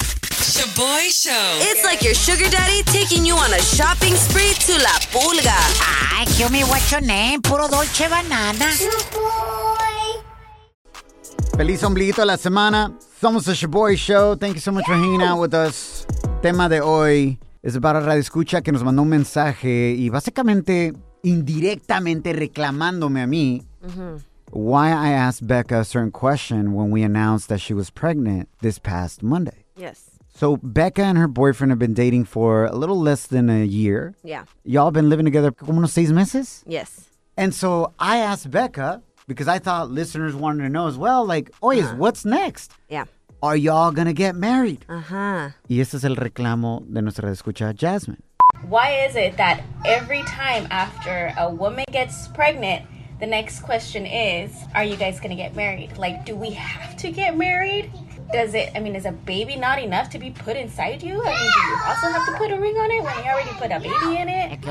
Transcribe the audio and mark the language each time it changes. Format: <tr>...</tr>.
<en>Shaboy Show. It's like your sugar daddy taking you on a shopping spree to La Pulga. Ay, kill me, what's your name? Puro Dolce Banana. Shaboy.</en> <es>Feliz ombliguito a la semana. Somos the Shaboy Show.</es> <en>Thank you so much for hanging out with us.</en> <es>Tema de hoy es para Radio Escucha que nos mandó un mensaje y básicamente, indirectamente reclamándome a mí.</es> <en>Why I asked Becca a certain question when we announced that she was pregnant this past Monday. Yes. So Becca and her boyfriend have been dating for a little less than a year. Yeah. Y'all been living together</en> <es>como unos 6 meses?</es> <en>Yes. And so I asked Becca, because I thought listeners wanted to know as well, like, oye, what's next? Yeah. Are y'all going to get married? Uh-huh.</en> <es>Y ese es el reclamo de nuestra escucha, Jasmine.</es> <en>Why is it that every time after a woman gets pregnant, the next question is, are you guys going to get married? Like, do we have to get married? Does it, I mean, is a baby not enough to be put inside you? I mean, do you also have to put a ring on it when you already put a baby in it?</en>